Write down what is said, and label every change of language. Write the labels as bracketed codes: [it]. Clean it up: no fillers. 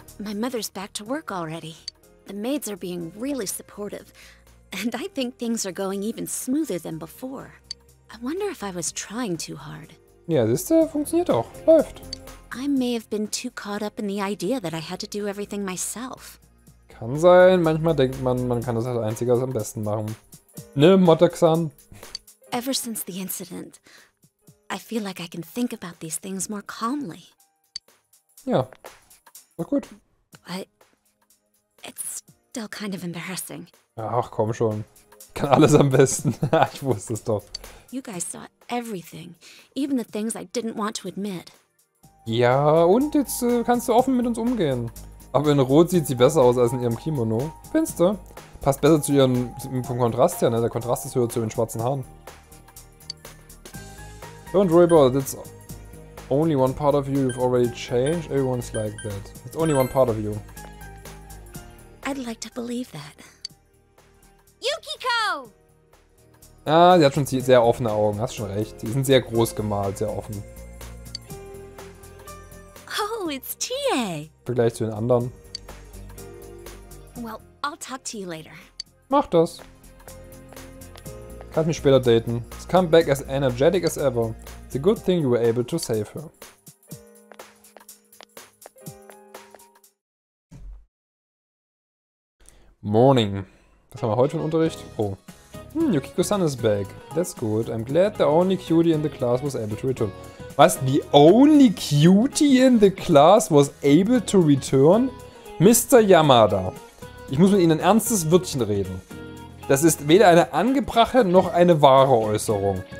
[en] My mother's back to work already. The maids are being really supportive. And I think things are going even smoother than before. I wonder if I was trying too hard. [de] Ja, das ist, funktioniert auch. Läuft. [en] I may have been too caught up in the idea that I had to do everything myself. [de] Kann sein. Manchmal denkt man, man kann das als Einziger am besten machen. Ne, Mutter-Xan? [en] Ever since the incident, I feel like I can think about these things more calmly. [de] Ja. War gut. [en] But it's still kind of embarrassing. [de] Ach, komm schon. Ich kann alles am besten. Ich wusste es doch. [en] You guys saw everything, even the things I didn't want to admit. [de] Ja, und jetzt kannst du offen mit uns umgehen. Aber in Rot sieht sie besser aus als in ihrem Kimono. Findest du? Passt besser zu ihren vom Kontrast her, ne? Der Kontrast ist höher zu den schwarzen Haaren. [en] Don't worry about it. It's only one part of you. You've already changed. Everyone's like that. It's only one part of you. I'd like to believe that. Yukiko! [de] Ah, sie hat schon sehr offene Augen. Hast schon recht. Sie sind sehr groß gemalt, sehr offen. [en] Oh, it's TA. [de] Vergleich zu den anderen. [en] Well, I'll talk to you later. [de] Mach das. Kannst mich später daten. [en] She's come back as energetic as ever. It's a good thing you were able to save her. Morning. [de] Was haben wir heute für einen Unterricht? [en] Oh. Yukiko-san is back. That's good. I'm glad the only cutie in the class was able to return. Was? The only cutie in the class was able to return? Mr. Yamada. [de] Ich muss mit Ihnen ein ernstes Wörtchen reden. Das ist weder eine angebrachte noch eine wahre Äußerung.